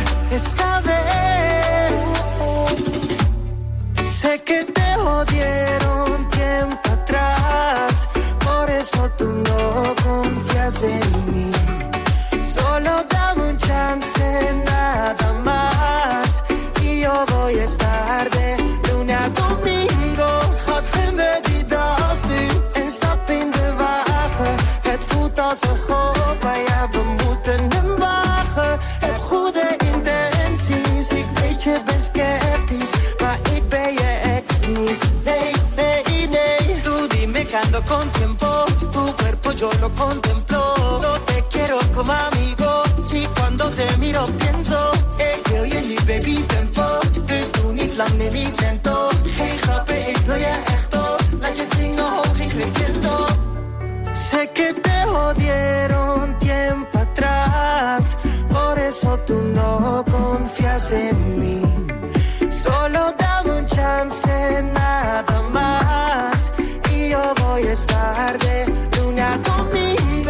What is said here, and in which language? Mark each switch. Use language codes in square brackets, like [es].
[es] Esta vez sé que te jodieron tiempo atrás. Por eso tú no confías en mí. Solo dame un chance, nada más, y yo voy a estar de lunes a domingo. [nl] Schat, geen bedida als nu, en stap in de wagen. Het voelt als een gok, maar ja, we moeten hem wagen. Heb goede intenties, ik weet je bent sceptisch, maar ik ben je ex niet. Nee, nee, nee. [es] Tú dime que ando con tiempo, tu cuerpo yo lo contemplo. No te quiero como a mí. Te miro, pienso, [nl] ik wil je niet, [es] baby, tempo. [nl] Dus doe niet lang, nee, niet lento. Geen grappen, ik wil je echt op. Laat je zingen, hoog en creciendo. [es] Sé que te jodieron tiempo atrás. Por eso tú no confías en mí. Solo dame un chance, nada más. Y yo voy a estar de lunes a domingo.